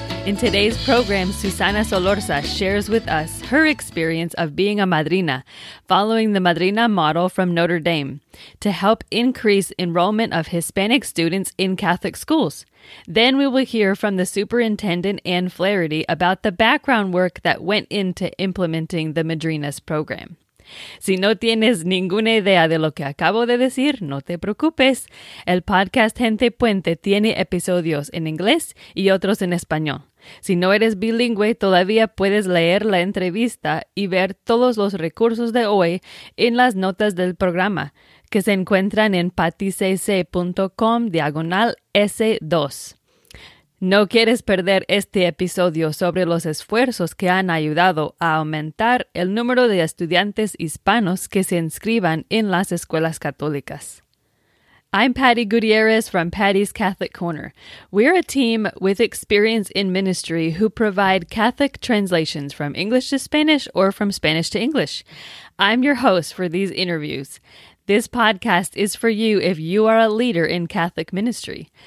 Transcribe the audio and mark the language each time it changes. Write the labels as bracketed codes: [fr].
[en] In today's program, Susana Solorza shares with us her experience of being a madrina, following the Madrina Model from Notre Dame, to help increase enrollment of Hispanic students in Catholic schools. Then we will hear from the Superintendent and Flaherty about the background work that went into implementing the Madrinas program. [es] Si no tienes ninguna idea de lo que acabo de decir, no te preocupes. El podcast Gente Puente tiene episodios en inglés y otros en español. Si no eres bilingüe, todavía puedes leer la entrevista y ver todos los recursos de hoy en las notas del programa, que se encuentran en paticc.com/S2. ¿No quieres perder este episodio sobre los esfuerzos que han ayudado a aumentar el número de estudiantes hispanos que se inscriban en las escuelas católicas? [en] I'm Patty Gutierrez from Patty's Catholic Corner. We're a team with experience in ministry who provide Catholic translations from English to Spanish or from Spanish to English. I'm your host for these interviews. This podcast is for you if you are a leader in Catholic ministry.